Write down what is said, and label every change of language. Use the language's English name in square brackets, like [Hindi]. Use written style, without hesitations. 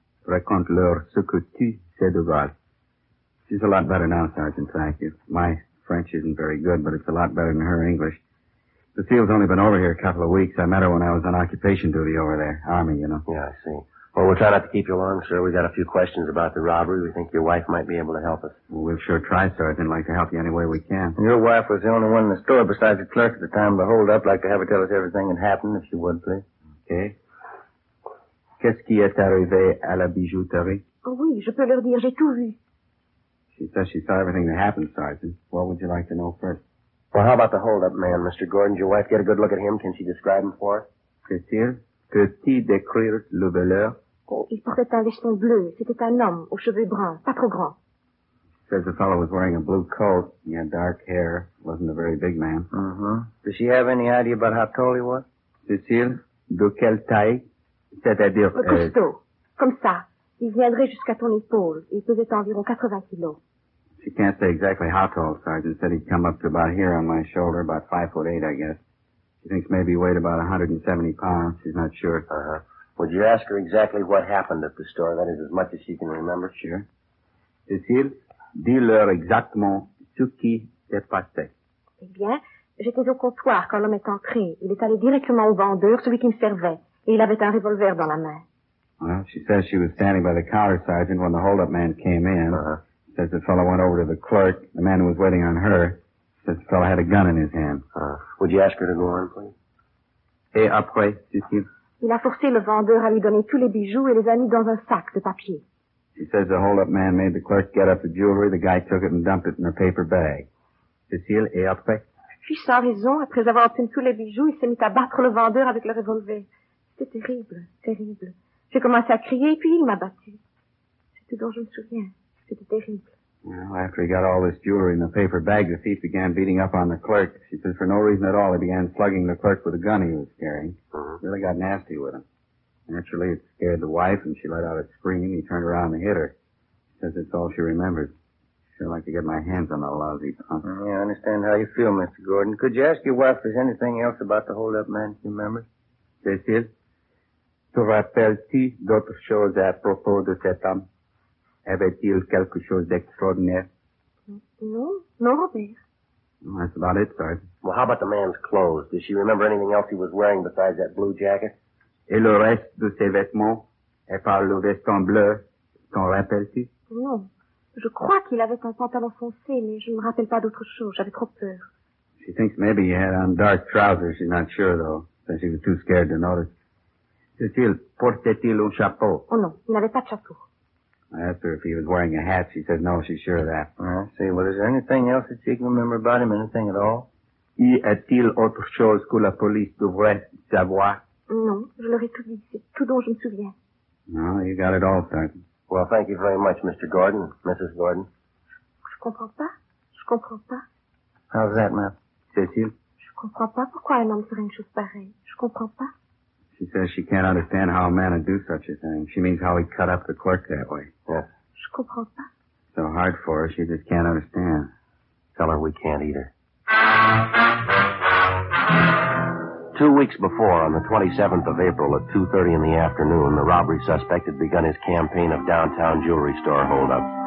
[French] Raconte-leur ce que tu sais de Val. [English] She's a lot better now, Sergeant. Thank you. My French isn't very good, but it's a lot better than her English. The SEAL's only been over here a couple of weeks. I met her when I was on occupation duty over there. Army, you know. Yeah, I see. Well, we'll try not to keep you long, sir. We got a few questions about the robbery. We think your wife might be able to help us. Well, we'll sure try, sir. I'd like to help you any way we can. And your wife was the only one in the store besides the clerk at the time of the holdup. Like to have her tell us everything that happened, if she would, please. Okay. [French] Qu'est-ce qui est arrivé à la bijouterie? Oh oui, je peux leur dire, j'ai tout vu. [English] She says she saw everything that happened, Sergeant. What would you like to know first? Well, how about the hold-up man, Mr. Gordon? Did your wife get a good look at him? Can she describe him for us? [French] Peut-il décrire le voleur? Oh, il portait un veston bleu. C'était un homme aux cheveux bruns, pas trop grand. [English] Says the fellow was wearing a blue coat. He had dark hair. Wasn't a very big man. Mm-hmm. Does she have any idea about how tall he was? [French] Cécile, de quelle taille? C'est-à-dire... Le costaud. Comme ça. Il viendrait jusqu'à ton épaule. Il pesait environ 80 kilos. [English] She can't say exactly how tall, Sergeant. Said he'd come up to about here on my shoulder, about 5'8", I guess. She thinks maybe he weighed about 170 pounds. She's not sure. Uh-huh. Would you ask her exactly what happened at the store? That is as much as she can remember. Sure. [French] Cécile, dis-leur exactement ce qui s'est passé. Eh bien, j'étais au comptoir quand l'homme est entré. Il est allé directement au vendeur, celui qui me servait. Il avait un revolver dans la main. [English] Well, she says she was standing by the counter, Sergeant, when the hold-up man came in. Uh-huh. Says the fellow went over to the clerk, the man who was waiting on her. Says the fellow had a gun in his hand. Would you ask her to go on, please? [French] Et après, Cécile? Il a forcé le vendeur à lui donner tous les bijoux et les a mis dans un sac de papier. [English] She says the hold-up man made the clerk get up the jewelry. The guy took it and dumped it in a paper bag. [French] Cécile, et après? Puis, sans raison, après avoir obtenu tous les bijoux, il s'est mis à battre le vendeur avec le revolver. C'était terrible, terrible. J'ai commencé à crier, puis il m'a battu. C'est tout dont je me souviens. C'était terrible. [English] Well, after he got all this jewelry in the paper bag, the thief began beating up on the clerk. She says for no reason at all, he began slugging the clerk with a gun he was carrying. Uh-huh. Really got nasty with him. Naturally, it scared the wife, and she let out a scream. He turned around and hit her. Says it's all she remembers. Sure like to get my hands on that lousy punk. Yeah, I understand how you feel, Mr. Gordon. Could you ask your wife if there's anything else about the hold-up man she remembers? [French] Cécile, te rappelles-tu d'autres choses à propos de cet homme? Avait-il quelque chose d'extraordinaire? Non, non, Robert. [English] That's about it, Sergeant. Well, how about the man's clothes? Does she remember anything else he was wearing besides that blue jacket? [French] Et le reste de ses vêtements, à part le veston bleu, t'en rappelles-tu? Non, je crois qu'il avait un pantalon foncé, mais je ne me rappelle pas d'autre chose. J'avais trop peur. [English] She thinks maybe he had on dark trousers. She's not sure, though. Since he was too scared to notice. [French] Cécile, portait-il un chapeau? Oh non, il n'avait pas de chapeau. [English] I asked her if he was wearing a hat. She said no, she's sure of that. I see. Well, is there anything else that she can remember about him? Anything at all? [French] Y a-t-il autre chose que la police devrait savoir? Non, je leur ai tout dit. C'est tout dont je me souviens. [English] No, you got it all, Sergeant. Well, thank you very much, Mr. Gordon, Mrs. Gordon. [French] Je comprends pas. Je comprends pas. [English] How's that, ma'am? Cécile? [French] Je comprends pas pourquoi un homme ferait une chose pareille. Je comprends pas. [English] She says she can't understand how a man would do such a thing. She means how he cut up the clerk that way. Yes. [French] Je comprends pas. [English] So hard for her, she just can't understand. Tell her we can't either. 2 weeks before, on the 27th of April at 2:30 in the afternoon, the robbery suspect had begun his campaign of downtown jewelry store holdup.